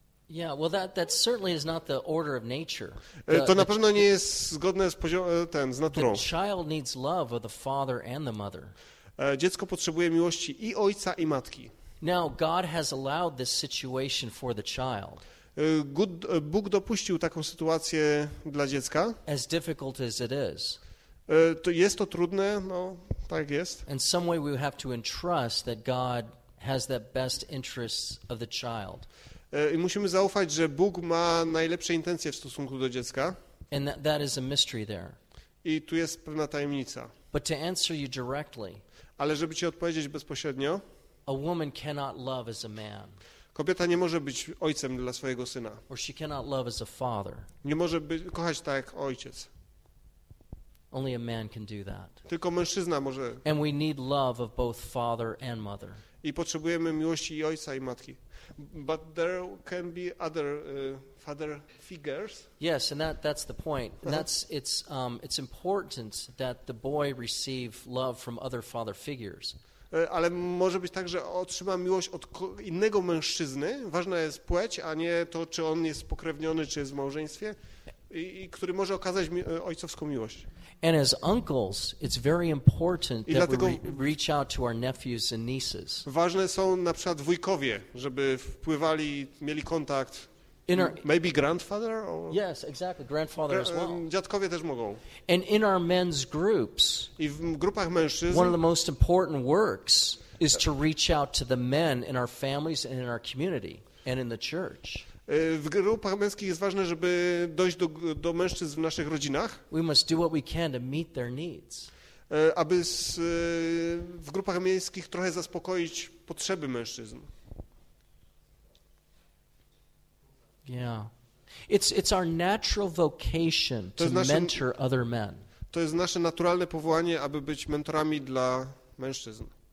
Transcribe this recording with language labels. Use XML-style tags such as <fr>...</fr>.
<en>Yeah, well, that certainly is not the order of nature.</en> <pl>To na pewno nie jest zgodne z poziomem, z naturą.</pl> <en>The child needs love of the father and the mother.</en> <pl>Dziecko potrzebuje miłości i ojca, i matki.</pl> <en>Now God has allowed this situation for the child.</en> <pl>Bóg dopuścił taką sytuację dla dziecka.</pl> <en>As difficult as it is.</en> <pl>To jest to trudne, no, tak jest.</pl> <en>In some way we have to entrust that God has the best interests of the child.</en> <pl>I musimy zaufać, że Bóg ma najlepsze intencje w stosunku do dziecka.</pl> <en>And that is a mystery there.</en> <pl>I tu jest pewna tajemnica.</pl> <en>But to answer you directly.</en> <pl>Ale żeby ci odpowiedzieć bezpośrednio,</pl> <en>a woman cannot love as a man.</en> <pl>Kobieta nie może być ojcem dla swojego syna.</pl> <en>Or she cannot love as a father.</en> <pl>Nie może kochać tak jak ojciec.</pl> <en>Only a man can do that.</en> <pl>Tylko mężczyzna może.</pl> <en>And we need love of both father and mother.</en> <pl>I potrzebujemy miłości i ojca, i matki.</pl> <en>But there can be other father figures. Yes, and that's the point. And that's it's important that the boy receive love from other father figures.</en> <pl>Ale może być tak, że otrzyma miłość od innego mężczyzny. Ważna jest płeć, a nie to, czy on jest pokrewniony, czy jest w małżeństwie, i który może okazać ojcowską miłość.</pl> <en>And as uncles, it's very important that we reach out to our nephews and nieces.</en> <pl>Ważne są na przykład wujkowie, żeby wpływali, mieli kontakt.</pl> <en>Maybe grandfather? Or... Yes, exactly, grandfather as well.</en> <pl>Dziadkowie też mogą.</pl> <en>And in our men's groups,</en> <pl>i w grupach mężczyzn,</pl> <en>one of the most important works is to reach out to the men in our families and in our community and in the church.</en> <pl>W grupach męskich jest ważne, żeby dojść do mężczyzn w naszych rodzinach.</pl> <en>We must do what we can to meet their needs.</en> <pl>aby w grupach męskich trochę zaspokoić potrzeby mężczyzn.</pl> <en>Yeah. It's our natural vocation to mentor other men.</en> <pl>To jest nasze naturalne powołanie, aby być mentorami dla mężczyzn.</pl>